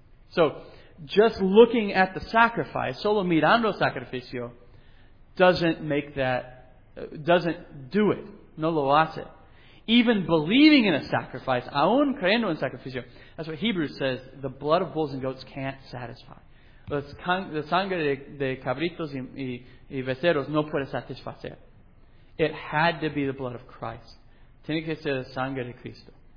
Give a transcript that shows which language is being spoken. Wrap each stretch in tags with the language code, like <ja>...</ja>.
<en>So, just looking at the sacrifice,</en> <es>solo mirando el sacrificio,</es> <en>doesn't do it.</en> <es>No lo hace.</es> <en>Even believing in a sacrifice,</en> <es>aun creyendo en sacrificio,</es> <en>that's what Hebrews says, the blood of bulls and goats can't satisfy.</en> <es>La sangre de cabritos y becerros no puede satisfacer.</es> <en>It had to be the blood of Christ.</en> <es>Tiene que ser la sangre de Cristo.</es>